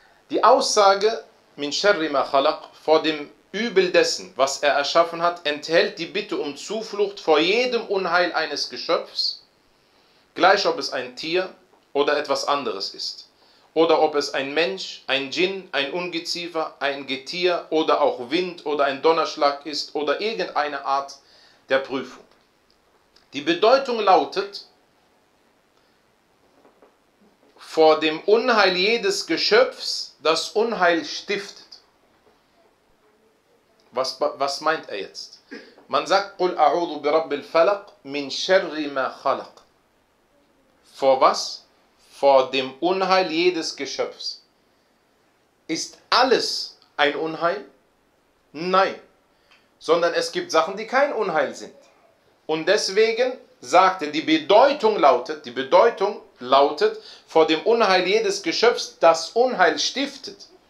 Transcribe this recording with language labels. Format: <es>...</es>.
<de>Die Aussage,</de> <ar>min sharri ma khalaq,</ar> <de>vor dem Übel dessen, was er erschaffen hat, enthält die Bitte um Zuflucht vor jedem Unheil eines Geschöpfs, gleich ob es ein Tier oder etwas anderes ist, oder ob es ein Mensch, ein Dschinn, ein Ungeziefer, ein Getier oder auch Wind oder ein Donnerschlag ist oder irgendeine Art der Prüfung. Die Bedeutung lautet, vor dem Unheil jedes Geschöpfs das Unheil stiftet. Was meint er jetzt? Man sagt,</de> <ar>قُلْ أَعُوذُ بِرَبِّ الْفَلَقِ مِنْ شَرِّ مَا خَلَقَ.</ar> <de>Vor was? Vor dem Unheil jedes Geschöpfs. Ist alles ein Unheil? Nein. Sondern es gibt Sachen, die kein Unheil sind. Und deswegen sagt er, die Bedeutung lautet, vor dem Unheil jedes Geschöpfs, das Unheil stiftet.</de>